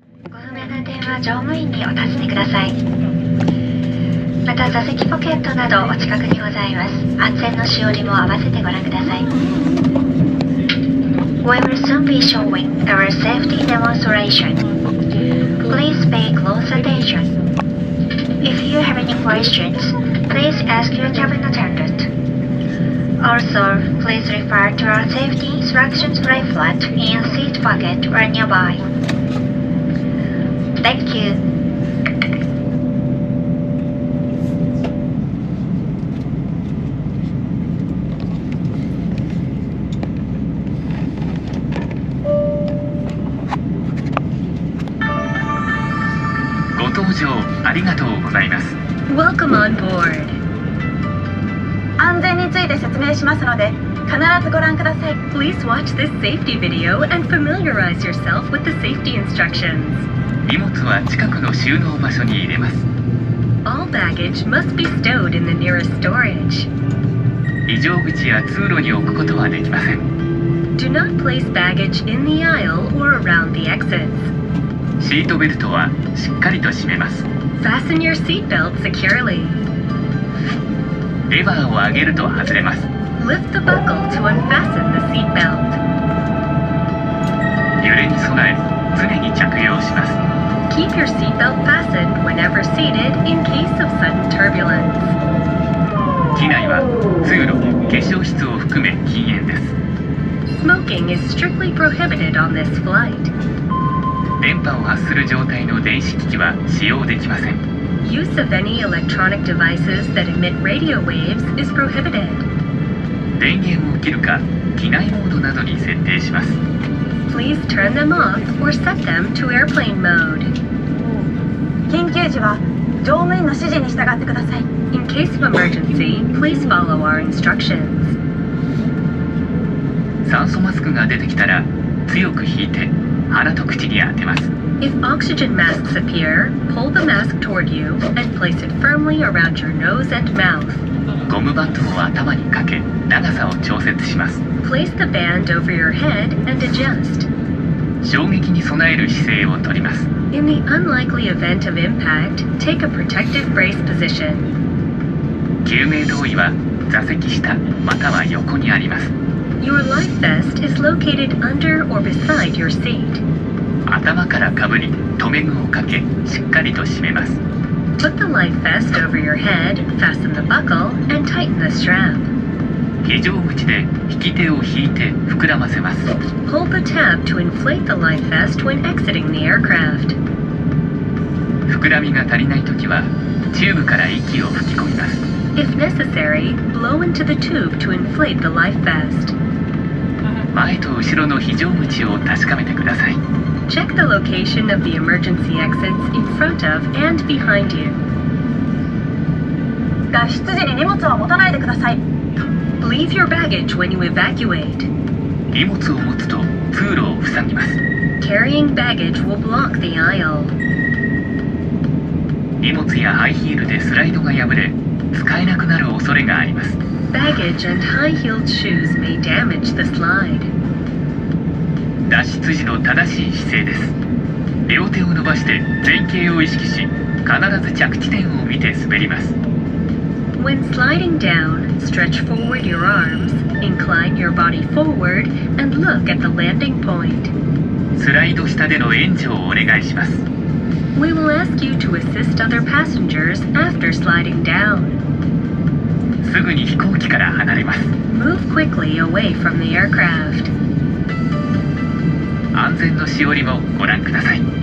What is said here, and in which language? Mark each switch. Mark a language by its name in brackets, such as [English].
[Japanese] な点は乗務員にお尋ねください。また座席ポケットなどお近くにございます、安全のしおりも合わせてご覧ください。 [English] We will soon be showing our safety demonstration. Please pay close attention. If you have any questions, please ask your cabin attendant. Also, please refer to our safety instructions leaflet in your seat pocket or nearby. Thank you. [Japanese] ありがとうございます。 [English] Welcome on board. [Japanese] 安全について説明しますので必ずご覧ください。 [English] Please watch this safety video and familiarize yourself with the safety instructions. [Japanese] 荷物は近くの収納場所に入れます。 [English] All baggage must be stowed in the nearest storage. [Japanese] 非常口や通路に置くことはできません。 [English] Do not place baggage in the aisle or around the exits. [Japanese] シートベルトはしっかりと締めます。 [English] Fasten your seat belt securely. [Japanese] レバーを上げると外れます。 [English] Lift the buckle to unfasten the seat belt. [Japanese] 揺れに備え、常に着用します。 [English] Keep your seat belt fastened whenever seated in case of sudden turbulence. [Japanese] 機内は通路、化粧室を含め禁煙です。 [English] Smoking is strictly prohibited on this flight. [Japanese] 電波を発する状態の電子機器は使用できません。 [English] Use of any electronic devices that emit radio waves is prohibited. [Japanese] 電源を切るか機内モードなどに設定します。 [English] Please turn them off or set them to airplane mode. [Japanese] 緊急時は乗務員の指示に従ってください。 [English] In case of emergency, please follow our instructions. [Japanese] 酸素マスクが出てきたら強く引いて鼻と口に当てます。 [English] If oxygen masks appear, pull the mask toward you and place it firmly around your nose and mouth. [Japanese] ゴムバットを頭にかけ、長さを調節します。 [English] Place the band over your head and adjust. [Japanese] 衝撃に備える姿勢をとります。 [English] In the unlikely event of impact, take a protective brace position. [Japanese] 救命胴衣は座席下または横にあります。 [English] Your life vest is located under or beside your seat. [Japanese] 頭からかぶり、留め具をかけ、しっかりと締めます。 [English] Put the life vest over your head, fasten the buckle, and tighten the strap. [Japanese] 非常口で引き手を引いて膨らませます。 [English] Hold the tab to inflate the life vest when exiting the aircraft. [Japanese] 膨らみが足りないときは、チューブから息を吹き込みます。 [English] If necessary, blow into the tube to inflate the life vest. [Japanese] 前と後ろの非常口を確かめてください。 [English] Check the location of the emergency exits in front of and behind you. [Japanese] 脱出時に荷物は持たないでください。 [English] Leave your baggage when you evacuate. [Japanese] 荷物を持つと通路を塞ぎます。 [English] Carrying baggage will block the aisle. [Japanese] 荷物やハイヒールでスライドが破れ、使えなくなる恐れがあります。 [English] Baggage and high-heeled shoes may damage the slide. [Japanese] 脱出時の正しい姿勢です。両手を伸ばして前傾を意識し、必ず着地点を見て滑ります。 [English] When sliding down, stretch forward your arms, incline your body forward, and look at the landing point. [Japanese] スライド下での援助をお願いします。 [English] We will ask you to assist other passengers after sliding down. [Japanese] すぐに飛行機から離れます。 [English] Move quickly away from the aircraft. [Japanese] 安全のしおりもご覧ください。